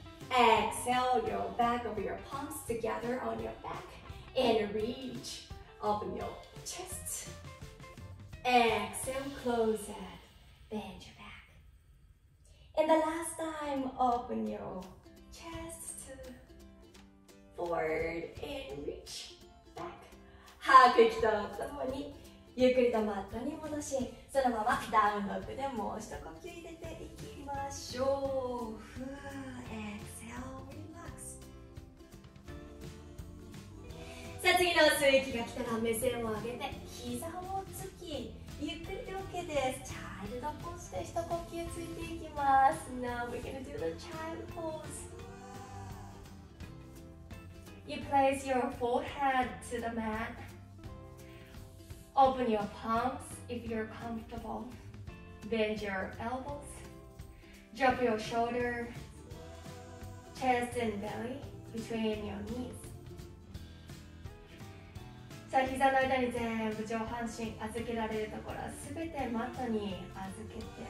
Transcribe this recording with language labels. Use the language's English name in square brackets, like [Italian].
[English] Exhale your back of your palms together on your back and reach. Open your chest. Exhale, close it. Bend your back. And the last time, open your chest to forward and reach back. [Japanese] 吐く息と頭にゆっくりとマットに戻し、そのままダウンドッグでもう一呼吸入れていきましょう。 [English] ふー、Exhale, relax. [Japanese] さあ次の吸い息が来たら目線を上げて膝をつき、ゆっくりで OK です。チャイルドポーズで一呼吸ついていきます。 [English] Now we can do the child pose. You place your forehead to the matOpen your palms if you're comfortable. Bend your elbows. Drop your shoulder, chest and belly between your knees. [Japanese] さあ膝の間に全部上半身預けられるところすべてマットに預けて。